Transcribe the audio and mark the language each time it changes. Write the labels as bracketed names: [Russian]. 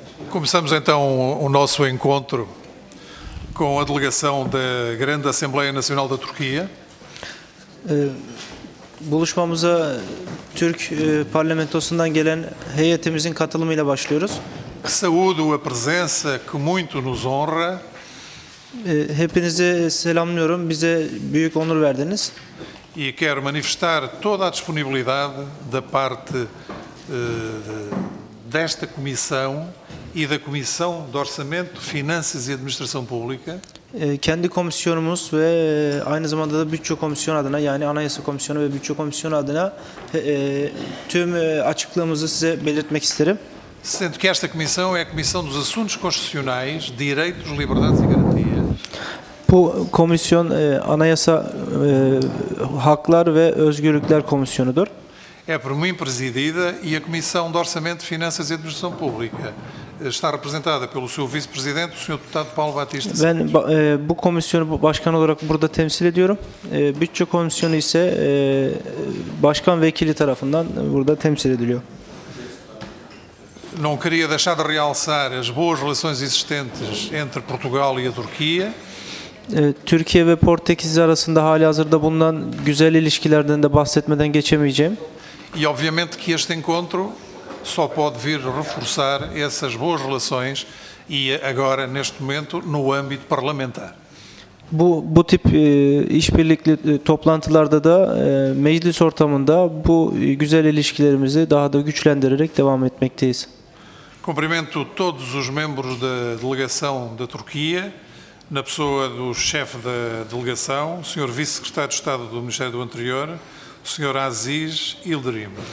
[Portuguese] Começamos então o nosso encontro com a delegação da Grande Assembleia Nacional da Turquia. [Turkish] Buluşmamıza Türk parlamentosundan gelen heyetimizin katılımıyla başlıyoruz. [Portuguese] Que saúdo a presença que muito nos honra. [Turkish] Hepinizi selamlıyorum. Bize büyük onur verdiniz. [Portuguese] E quero manifestar toda a disponibilidade da parte desta comissão e da Comissão de Orçamento, Finanças e Administração Pública. [Turkish] Kendi komisyonumuz ve aynı zamanda da bütçe komisyonu adına yani anayasa komisyonu ve bütçe komisyonu adına tüm açıklığımızı size belirtmek isterim. [Portuguese] Sendo que esta comissão é a Comissão dos Assuntos Constitucionais, Direitos, Liberdades e Garantias. [Turkish] Bu komisyon anayasa haklar ve özgürlükler komisyonudur. [Portuguese] É por mim presidida e a Comissão de Orçamento, Finanças e Administração Pública está representada pelo seu vice-presidente, o senhor deputado Paulo Batista [Turkish] Ben [Portuguese] Santos. [Turkish] bu komisyonu başkan olarak burada temsil ediyorum. Bütçe komisyonu ise başkan vekili tarafından burada temsil ediliyor. [Portuguese] Não queria deixar de realçar as boas relações existentes entre Portugal e a Turquia. [Turkish] Türkiye ve Portekiz arasında hali hazırda bulunan güzel ilişkilerden de bahsetmeden geçemeyeceğim. [Portuguese] E obviamente que este encontro só pode vir reforçar essas boas relações e agora neste momento no âmbito parlamentar. [Turkish] Bu tip işbirlikli toplantılarda da meclis ortamında bu güzel ilişkilerimizi daha da güçlendirerek devam etmekteyiz. [Portuguese] Cumprimento todos os membros da delegação da Turquia, na pessoa do chefe da delegação, o senhor vice-secretário de Estado do Ministério do Interior, o senhor Aziz Yildirim.